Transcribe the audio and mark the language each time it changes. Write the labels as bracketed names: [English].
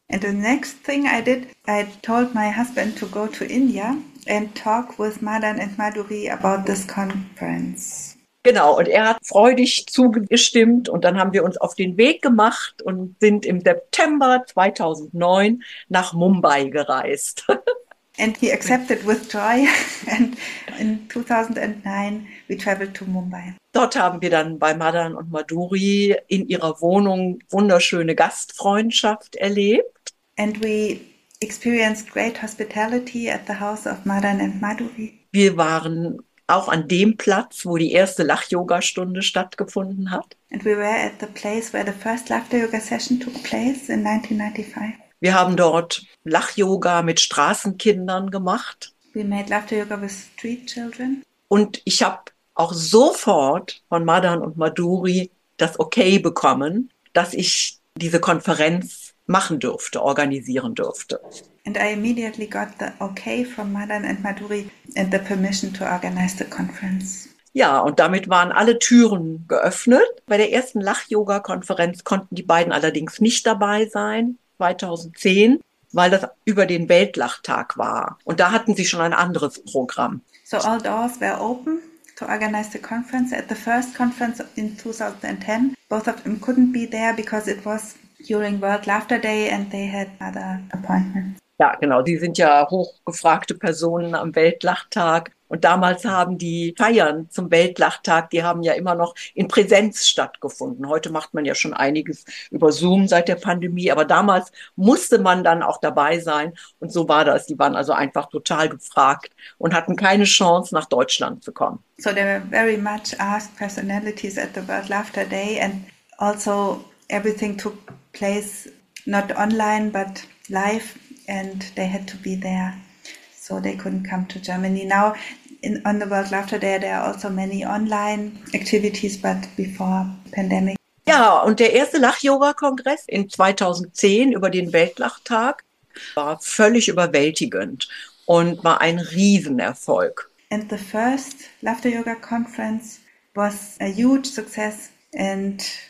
[English] And the next thing I did, I told my husband to go to India and talk with Madan and Madhuri about this conference. [German] Genau, und er hat freudig zugestimmt und dann haben wir uns auf den Weg gemacht und sind im September 2009 nach Mumbai gereist. [English] And he accepted with joy and in 2009 we traveled to Mumbai. [German] Dort haben wir dann bei Madan und Madhuri in ihrer Wohnung wunderschöne Gastfreundschaft erlebt. [English] And we experienced great hospitality at the house of Madan and Madhuri. [German] Wir waren auch an dem Platz, wo die erste Lach-Yoga-Stunde stattgefunden hat. [English] And we were at the place where the first Lach-Yoga-Session took place in 1995. [German] Wir haben dort Lach-Yoga mit Straßenkindern gemacht. [English] We made Lach-Yoga with street children. [German] Und ich habe auch sofort von Madan und Madhuri das Okay bekommen, dass ich diese Konferenz machen durfte, organisieren durfte. [English] And I immediately got the okay from Madan and Madhuri and the permission to organize the conference. [German] Ja, und damit waren alle Türen geöffnet. Bei der ersten Lach-Yoga-Konferenz konnten die beiden allerdings nicht dabei sein, 2010, weil das über den Weltlachtag war. Und da hatten sie schon ein anderes Programm. [English] So all doors were open to organize the conference at the first conference in 2010. Both of them couldn't be there because it was during World Laughter Day and they had other appointments. [German] Ja, genau. Die sind ja hochgefragte Personen am Weltlachtag. Und damals haben die Feiern zum Weltlachtag, die haben ja immer noch in Präsenz stattgefunden. Heute macht man ja schon einiges über Zoom seit der Pandemie. Aber damals musste man dann auch dabei sein. Und so war das. Die waren also einfach total gefragt und hatten keine Chance, nach Deutschland zu kommen. [English] So there were very much asked personalities at the World Laughter Day. And also everything took place not online, but live. And they had to be there, so they couldn't come to Germany. Now, on the World Laughter Day, there are also many online activities, but before pandemic. [German] Ja, und der erste Lach-Yoga-Kongress in 2010 über den Weltlachtag war völlig überwältigend und war ein Riesenerfolg. [English] And the first Laughter-Yoga conference was a huge success and